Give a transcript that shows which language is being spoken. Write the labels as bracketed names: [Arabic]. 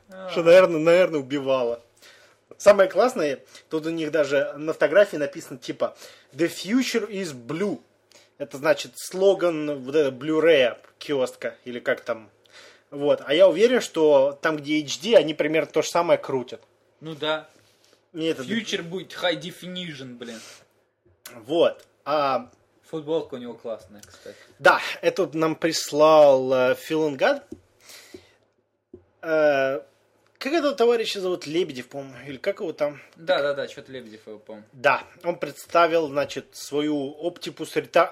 [Russian] Что, наверное, убивало. Самое классное, тут у них даже на фотографии написано, типа, [English] The future is blue. [Russian] Это значит слоган вот этого Blu-ray киоска, или как там. Вот, а я уверен, что там, где HD, они примерно то же самое крутят. Ну да. Future будет high definition, блин. Вот. А... Футболка у него классная, кстати. Да, это вот нам прислал Филингад. Как этого товарища зовут? Лебедев, по-моему. Или как его там? Да-да-да, что-то Лебедев его, по-моему. Да, он представил, значит, свою Optimus Retro...